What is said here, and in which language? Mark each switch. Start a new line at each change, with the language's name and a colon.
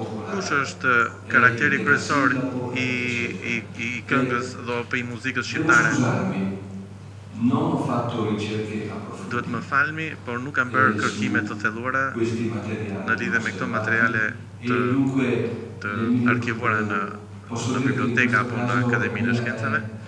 Albanian: Kush është karakteri kryesor i këngës dhe apo i muzikës shqiptare?
Italian: Non ho fatto ricerche approfondite.
Albanian: Duhet më falmi, por nuk kam bërë kërkime të thelluara në lidhje me këto materiale të arkivuara në biblioteka apo në Akademinë e Shkencave.